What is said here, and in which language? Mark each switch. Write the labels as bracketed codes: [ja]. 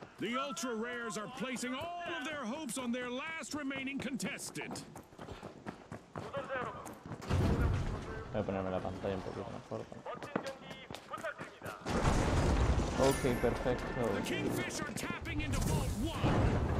[en] The ultra rares are placing all of their hopes on their last remaining contestant. [es] Voy a ponerme la pantalla un poquito más corta. Ok, perfecto. [en] The Kingfish are tapping into Vault 1.